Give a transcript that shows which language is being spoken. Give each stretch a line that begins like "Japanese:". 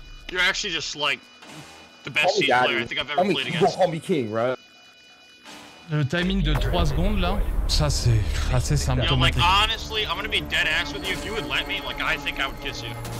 English: You're actually just like the best team player I think I've ever played against. Call me king, right?
French: Le timing de 3 secondes là, ça c'est assez symptomatique.
English: You know, like, honestly, I'm gonna be dead ass with you. If you would let me, like, I think I would kiss you.